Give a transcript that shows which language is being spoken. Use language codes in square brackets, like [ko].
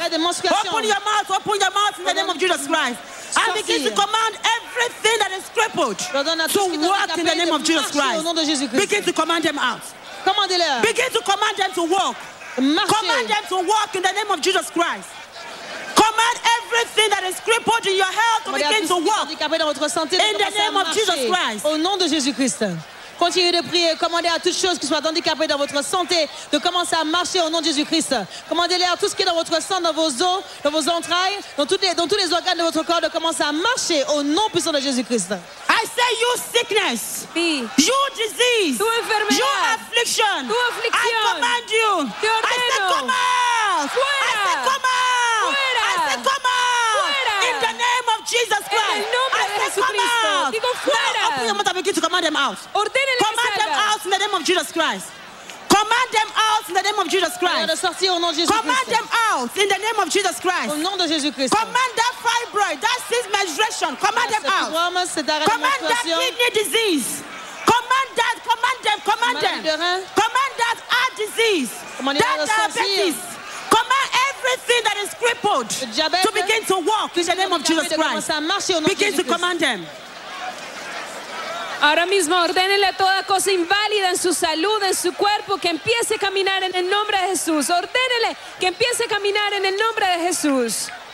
[en] Open your mouth. Open your mouth in the name of Jesus Christ. I begin to command everything that is crippled to walk in the name of Jesus Christ. Begin to command them out. Begin to command them to walk. Command them to walk in the name of Jesus Christ. Command everything that is crippled in your health to begin to walk in the name of Jesus Christ. [fr] Au nom de Jésus Christ. Continuez de prier, commandez à toutes choses qui soient handicapées dans votre santé de commencer à marcher au nom de Jésus-Christ. Commandez-les à tout ce qui est dans votre sang, dans vos os, dans vos entrailles, dans tous les organes de votre corps de commencer à marcher au nom puissant de Jésus-Christ. [en] I say you sickness, you disease, you affliction, I command you, I say come out, I say come out, I say come out, in the name of Jesus Christ, I say come out. Open your mouth and begin to command them out. Command them out in the name of Jesus Christ. Command them out in the name of Jesus Christ. Command them out in the name of Jesus Christ. [fr] Au nom de Jésus Christ. [en] Command that fibroid, that cyst menstruation, command them out. Command that kidney disease. Command that, command them, command them. Command that heart disease. That diabetes. Command everything that is crippled to begin to walk in the name of Jesus Christ. Begin to command them. [es] Ahora mismo ordénele toda cosa inválida en su salud, en su cuerpo, que empiece a caminar en el nombre de Jesús. Ordénele que empiece a caminar en el nombre de Jesús.